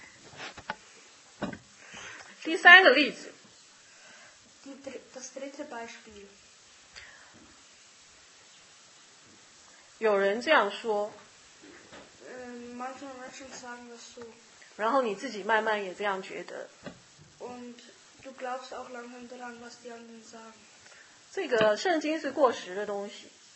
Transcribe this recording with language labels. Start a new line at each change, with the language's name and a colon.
German: Das ist die Gerechtigkeit durch Glauben.
Chinese: 第三个例子。
German: Das dritte Beispiel.
Chinese: 有人这样说。
German: Manche Menschen sagen das so.
Chinese: 然后你自己慢慢也这样觉得。
German: Und du glaubst auch langsam daran, was die anderen sagen.
Chinese: 这个圣经是过时的东西。